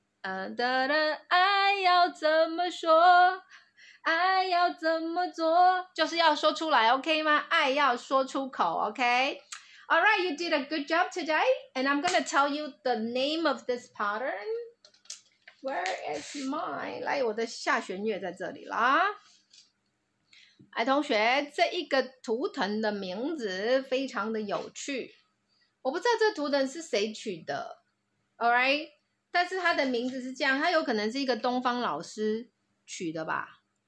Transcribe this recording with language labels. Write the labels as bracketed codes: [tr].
[zh] 的人爱要怎么说，爱要怎么做，就是要说出来 ，OK 吗？爱要说出口 ，OK。 [en] All right, you did a good job today, and I'm gonna tell you the name of this pattern. Where is mine? [zh] 来，我的下弦月在这里啦。哎，同学，这一个图腾的名字非常的有趣，我不知道这图腾是谁取的。 [en] All right。 [zh] 但是他的名字是这样，他有可能是一个东方老师取的吧。